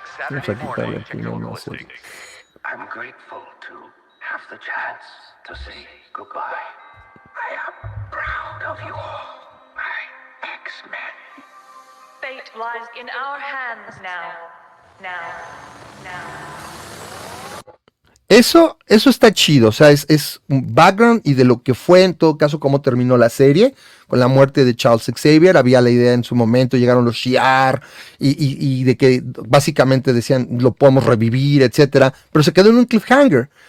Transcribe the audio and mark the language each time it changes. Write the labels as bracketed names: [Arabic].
[Spanish] Vamos a quitarle aquí una nueva serie. [English] I'm grateful to have the chance to say goodbye. I am proud of you all, my X-Men. Fate lies in our hands now. Now. Now. [Spanish] Eso está chido, o sea, es un background y de lo que fue, en todo caso, cómo terminó la serie, con la muerte de Charles Xavier. Había la idea en su momento, llegaron los Shi'ar, y de que básicamente decían, lo podemos revivir, etcétera, pero se quedó en un cliffhanger.